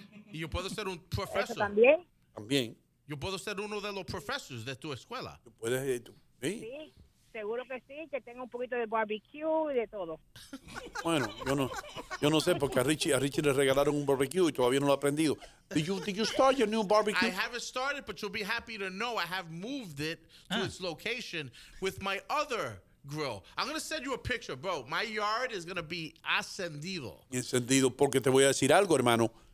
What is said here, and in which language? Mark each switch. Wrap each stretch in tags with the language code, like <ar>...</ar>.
<es>Y yo puedo ser un profesor. ¿También? También. Yo puedo ser uno de los profesores de tu escuela. ¿Tú puedes? ¿Sí? Sí, seguro que sí, que tenga un poquito de barbecue y de todo. Bueno, yo no sé, porque a Richie le regalaron un barbecue y todavía no lo ha aprendido.</es> <en>Did you start your new barbecue? I haven't started, but you'll be happy to know I have moved it to its location with my other grill. I'm going to send you a picture, bro. My yard is going to be encendido.</en> <es>Encendido, porque te voy a decir algo, hermano.</es>